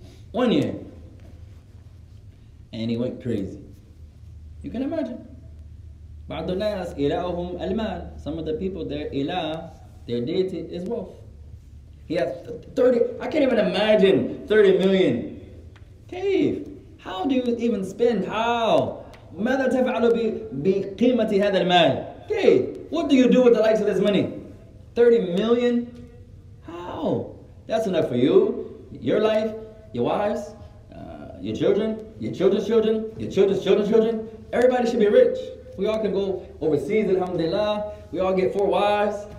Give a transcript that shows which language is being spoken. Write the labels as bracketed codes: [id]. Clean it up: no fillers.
[en] 1 year. And he went crazy. You can imagine. [ar] بعض الناس إلههم المال. [en] Some of the people, their إله, their deity is wealth. He has 30, I can't even imagine 30 million. كيف? How do you even spend? How? [ar] ماذا تفعل بقيمة هذا المال? كيف? [en] What do you do with the likes of this money? 30 million? How? That's enough for you, your life, your wives, your children, your children's children, your children's children's children. Everybody should be rich. We all can go overseas, alhamdulillah. We all get 4 wives.